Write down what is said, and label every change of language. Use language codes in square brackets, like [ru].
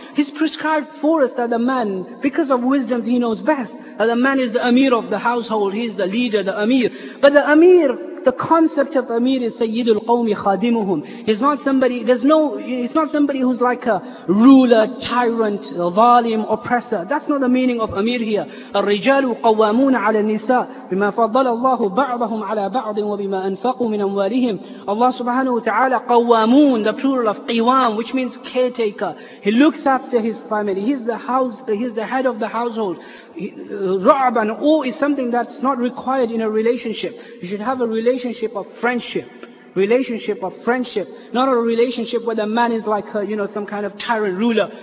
[en] He's prescribed for us that the man, because of wisdom He knows best, that the man is the Amir of the household. He's the leader, the Amir. But the Amir, the concept of Amir is Sayyidul Qawmi Khadimuhum. He's not somebody who's like a ruler, tyrant, zalim, oppressor. That's not the meaning of Amir here. [ar] الرجال قوامون على النساء بما فضل الله بعضهم على بعض وبما أنفقوا من أموالهم. [en] Allah subhanahu wa ta'ala, قوامون, the plural of قوام, which means caretaker. He looks after his family. He's the head of the household. رعب and awe is something that's not required in a relationship. You should have a relationship of friendship. relationship of friendship, not a relationship where the man is like a, you know, some kind of tyrant ruler.